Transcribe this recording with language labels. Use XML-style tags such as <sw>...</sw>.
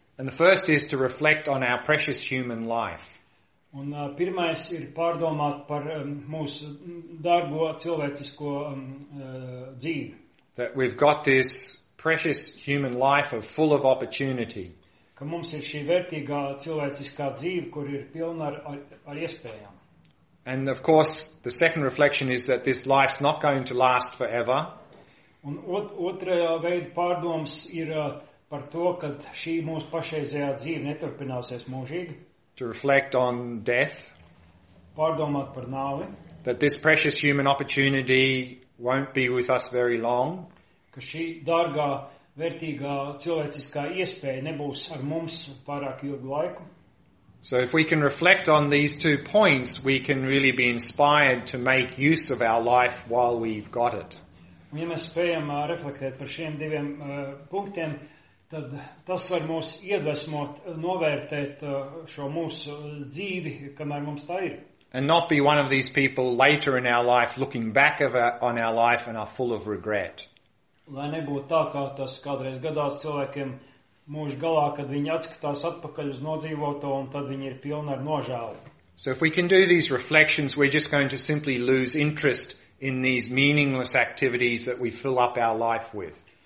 <en>And the first is to reflect on our precious human life.</en> <lv>Un pirmais ir pārdomāt par mūsu dārgo cilvēcisko dzīvi.</lv> <en>That we've got this precious human life of full of opportunity.</en> <lv>Ka mums ir šī vērtīgā cilvēciskā dzīve, kur ir pilna ar iespējām.</lv> <en>And of course, the second reflection is that this life's not going to last forever.</en> <lv>Un otrajā veida pārdoms ir par to, ka šī mūsu pašreizējā dzīve neturpināsies mūžīgi.</lv> <en>To reflect on death.</en> <lv>Pārdomāt par nāvi.</lv> <en>That this precious human opportunity won't be with us very long.</en> <lv>Ka šī dārgā, vērtīgā cilvēciskā iespēja nebūs ar mums pārāk ilgu laiku.</lv> <en>So if we can reflect on these two points, we can really be inspired to make use of our life while we've got it.</en> <lv>Un ja mēs spējam reflektēt par šiem diviem punktiem, tad tas var mūs iedvesmot novērtēt šo mūsu dzīvi, kamēr mums tā ir.</lv> <en>And not be one of these people later in our life looking back on our life and are full of regret.</en> <lv>Lai nebūtu tā, kā tas kādreiz gadās cilvēkiem mūžu galā, kad viņi atskatās atpakaļ uz nodzīvoto un tad viņi ir pilni ar nožēlu.</lv> <en>So if we can do these reflections, we're just going to simply lose interest in these meaningless activities that we fill up our life with.</en>